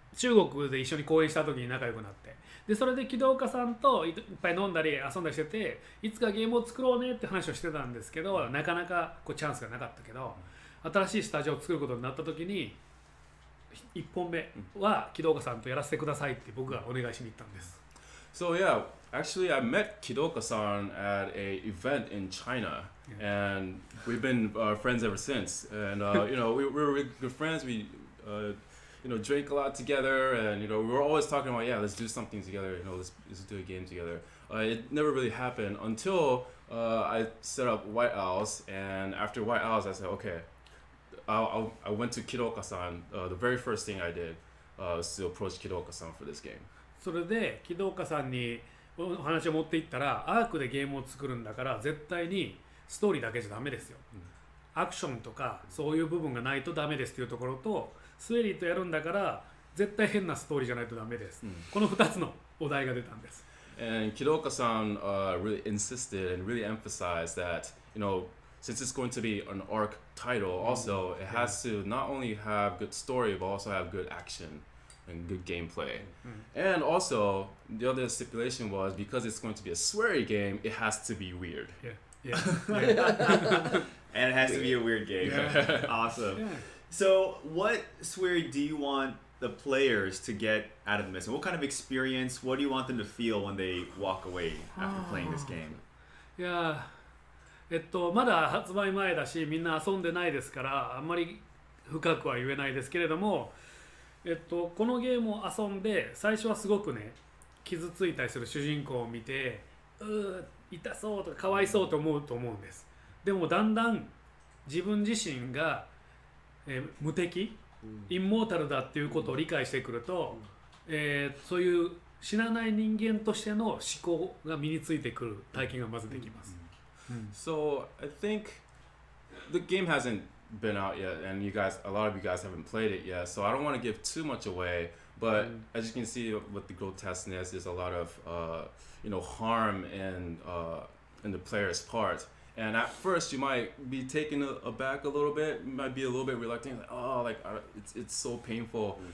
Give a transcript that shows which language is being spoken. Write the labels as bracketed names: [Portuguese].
[Japanese] 中国で一緒に講演した時に仲良くなって。で、それで木戸岡さんといっぱい飲んだり遊んだりしてて、いつかゲームを作ろうねって話をしてたんですけど、なかなかこうチャンスがなかったけど、新しいスタジオを作ることになった時に、1本目は Kidoka さんとやらせてくださいって僕がお願いしに行ったんです。 [English] So yeah, actually I met Kidoka-san at a event in China, and we've been friends ever since. And you know, we were good friends. We you know, drank a lot together, and you know, we were always talking about, yeah, let's do something together. You know, let's do a game together. It never really happened until I set up White Owls, and after White Owls, I said, okay. I went to Kidoka-san. The very first thing I did was to approach Kidoka-san for this game. [Japanese] それで Kidoka-san にお話を持っていったら、アークでゲームを作るんだから絶対にストーリーだけじゃダメですよ。アクションとかそういう部分がないとダメですというところと、スウェリーとやるんだから絶対変なストーリーじゃないとダメです。この2つのお題が出たんです。 [English] And Kidoka-san really insisted and really emphasized that, you know,since it's going to be an ARC title also, it has to not only have good story, but also have good action and good gameplay. And also, the other stipulation was, because it's going to be a sweary game, it has to be weird. Yeah. And it has to be a weird game. Yeah. Awesome. Yeah. So, what sweary do you want the players to get out of the missing? What kind of experience, what do you want them to feel when they walk away after playing this game? Yeah. [Japanese] まだ発売前だし、みんな遊んでないですから、あんまり深くは言えないですけれども、このゲームを遊んで、最初はすごくね、傷ついたりする主人公を見て、うー痛そうとかかわいそうと思うと思うんです。でもだんだん自分自身が、無敵、インモータルだっていうことを理解してくると、そういう死なない人間としての思考が身についてくる体験がまずできます。 [English] So I think the game hasn't been out yet, and you guys, a lot of you guys haven't played it yet, so I don't want to give too much away. But as you can see with the grotesqueness, there's a lot of you know, harm in the player's part. And at first, you might be taken aback a little bit, might be a little bit reluctant, like, oh, like it's so painful.